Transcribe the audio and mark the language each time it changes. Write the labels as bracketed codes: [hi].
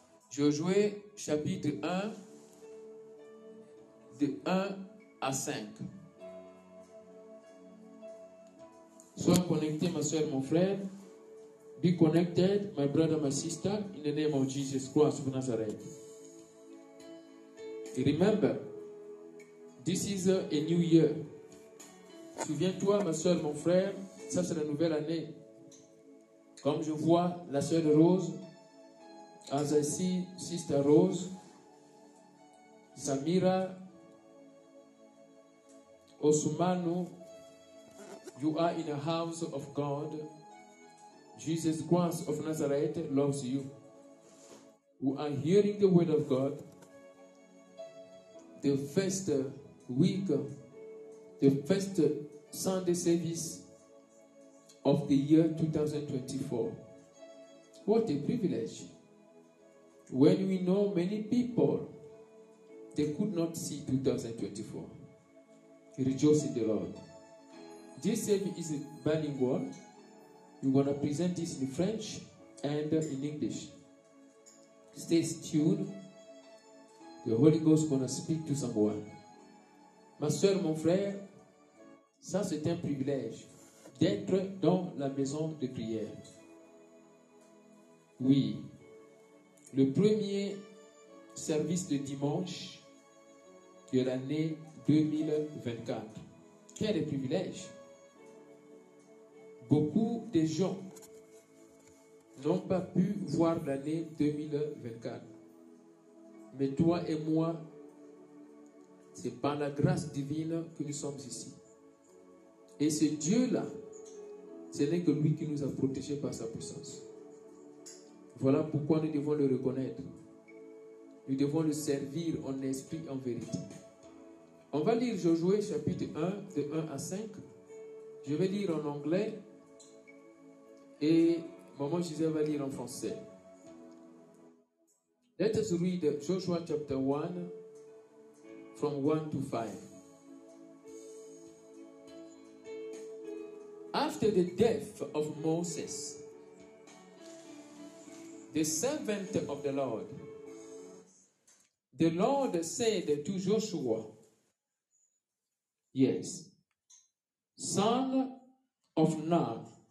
[fr] Josué chapitre 1 de 1 à 5. Sois connecté, ma soeur, mon frère. [en] Be connected, my brother, my sister, in the name of Jesus Christ of Nazareth. Remember, this is a new year. [fr] Souviens-toi, ma soeur, mon frère, ça c'est la nouvelle année. Comme je vois la soeur Rose, [en] as I see sister Rose, Samira, Osumanu, you are in the house of God. Jesus Christ of Nazareth loves you. Who are hearing the word of God. The first week, the first Sunday service of the year 2024. What a privilege. When we know many people, they could not see 2024. Rejoice in the Lord. This service is bilingual. We're going to present this in French and in English. Stay tuned. The Holy Ghost is going to speak to someone. [fr] Ma soeur, mon frère, ça c'est un privilège d'être dans la maison de prière. Oui, le premier service de dimanche de l'année 2024. Quel privilège! beaucoup de gens n'ont pas pu voir l'année 2024. Mais toi et moi, c'est par la grâce divine que nous sommes ici. Et ce Dieu-là, ce n'est que lui qui nous a protégés par sa puissance. Voilà pourquoi nous devons le reconnaître. Nous devons le servir en esprit, en vérité. On va lire Josué chapitre 1, de 1 à 5. Je vais lire en anglais. Et maman Gisèle va lire en français. [en] Let us read Joshua chapter 1, from 1 to 5. After the death of Moses, the servant of the Lord said to Joshua, yes, son of Nun,